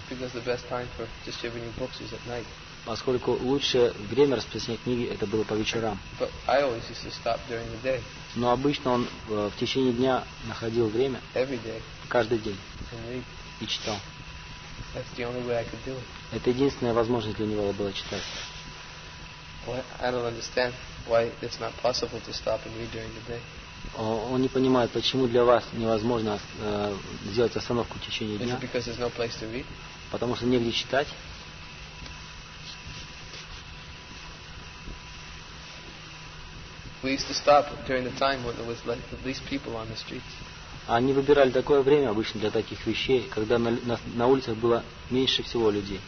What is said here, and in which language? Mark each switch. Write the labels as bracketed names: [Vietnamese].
[English] Because the best time for distributing books is at night. [Russian] Поскольку лучшее время распространения книги это было по вечерам. [English] But I always used to stop during the day. [Russian] Но обычно он в течение дня находил время. [English] Every day. [Russian] Каждый день. И читал. [English] That's the only way I could do it. [Russian] Это единственная возможность для него было читать. [English] I don't understand why it's not possible to stop and read during the day. [Russian] Он не понимает, почему для вас невозможно сделать остановку в течение дня. [English] Is it because there's no place to read? [Russian] Потому что негде читать. [English] We used to stop during the time when there was like at least people on the streets. [Russian] Они выбирали такое время обычно для таких вещей, когда на улицах было меньше всего людей.